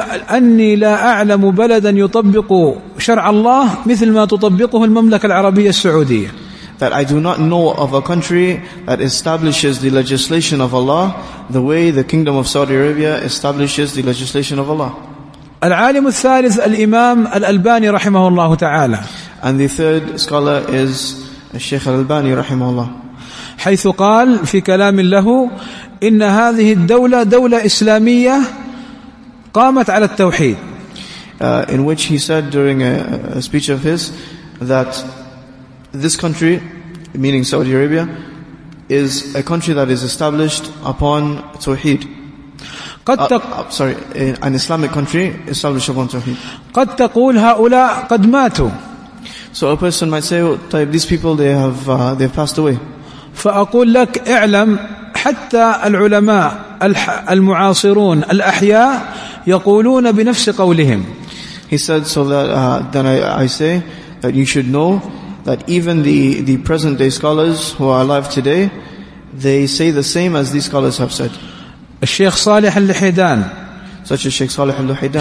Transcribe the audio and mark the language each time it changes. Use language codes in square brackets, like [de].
[ar] أني لا أعلم بلدا يطبق شرع الله مثل ما تطبقه المملكة العربية السعودية. [en] That I do not know of a country that establishes the legislation of Allah the way the Kingdom of Saudi Arabia establishes the legislation of Allah. [ar] العالم الثالث الإمام الألباني رحمه الله تعالى. [en] And the third scholar is الشيخ الألباني [ar] رحمه الله. حيث قال في كلام له إن هذه الدولة دولة إسلامية قامت على التوحيد. [en] In which he said during a speech of his that this country, meaning Saudi Arabia, is a country that is established upon توحيد. An Islamic country established upon توحيد. [ar] قد تقول هؤلاء قد ماتوا. [en] So a person might say, well, type, these people, they have passed away. [ar] فأقول لك اعلم حتى العلماء المعاصرون الأحياء يقولون بنفس قولهم. [en] He said, so that then I say that you should know that even the present day scholars who are alive today, they say the same as these scholars have said. [ar] الشيخ صالح اللحيدان. [en] Such as Sheikh Salih al-Luhaydan.